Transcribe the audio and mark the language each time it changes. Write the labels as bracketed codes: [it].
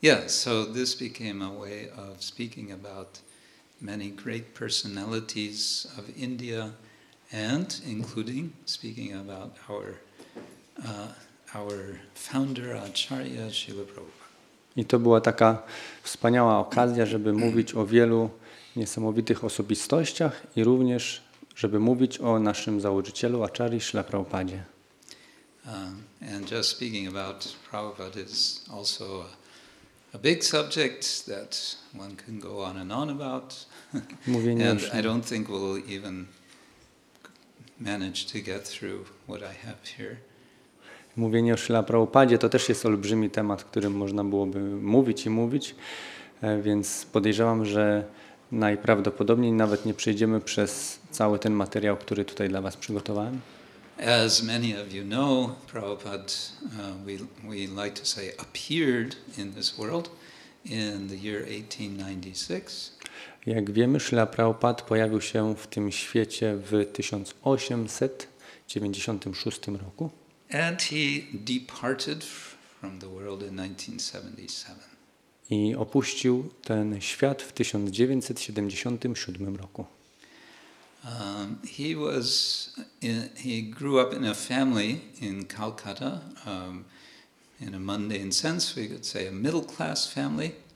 [en] So this became a way of speaking about many great personalities of India, and including, speaking about our founder, Acharya Srila Prabhupada. [pl] I to była taka wspaniała okazja, żeby mówić o wielu niesamowitych osobistościach i również, żeby mówić o naszym założycielu, Acharya Srila Prabhupadzie. [en] And just speaking about Prabhupada is also a big subject that one can go on and on about. And I don't think we'll even manage to get through what I have here. [pl] Mówienie o Śrila Prabhupadzie to też jest olbrzymi temat, którym można byłoby mówić i mówić, więc podejrzewam, że najprawdopodobniej nawet nie przejdziemy przez cały ten materiał, który tutaj dla Was przygotowałem. [en] As many of you know, Prabhupada, we like to say, appeared in this world in the year 1896. [pl] Jak wiemy, Śrila Prabhupada pojawił się w tym świecie w 1896 roku. [en] And he departed from the world in 1977. [pl] I opuścił ten świat w 1977 roku. [en] He grew up in a family in Calcutta, in a mundane sense, we could say a middle-class family.